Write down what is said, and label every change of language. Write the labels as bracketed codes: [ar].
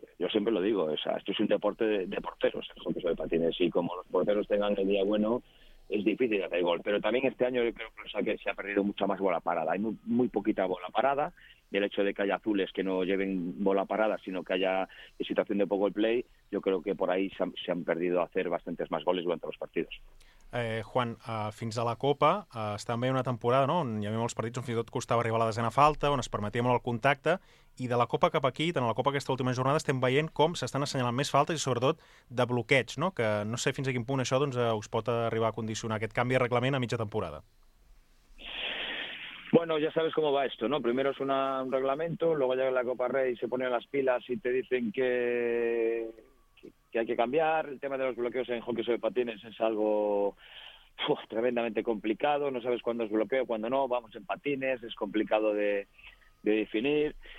[es] Yo siempre lo digo, esto es un deporte de porteros, el hockey sobre patines, y como los porteros tengan el día bueno, es difícil hacer el gol. Pero también este año yo creo que se ha perdido mucha más bola parada. Hay muy, muy poquita bola parada. Y el hecho de que haya azules que no lleven bola parada, sino que haya situación de poco el play, yo creo que por ahí se han perdido a hacer bastantes más goles durante los partidos. [ca] Juan, fins a la Copa, estàvem veient una temporada, no?, on hi havia molts partits on fins i tot costava arribar a la desena falta, on es permetia molt el contacte, i de la Copa cap aquí, tant a la Copa aquesta última jornada, estem veient com s'estan assenyalant més faltes i sobretot de bloqueig, no?, que no sé fins a quin punt això doncs, us pot arribar a condicionar aquest canvi de reglament a mitja temporada. [es] Bueno, ya sabes cómo va esto, ¿no? Primero es un reglamento, luego llega la Copa Rey, se ponen las pilas y te dicen que hay que cambiar. El tema de los bloqueos en hockey sobre patines es algo tremendamente complicado. No sabes cuándo es bloqueo, cuándo no. Vamos en patines, es complicado de definir.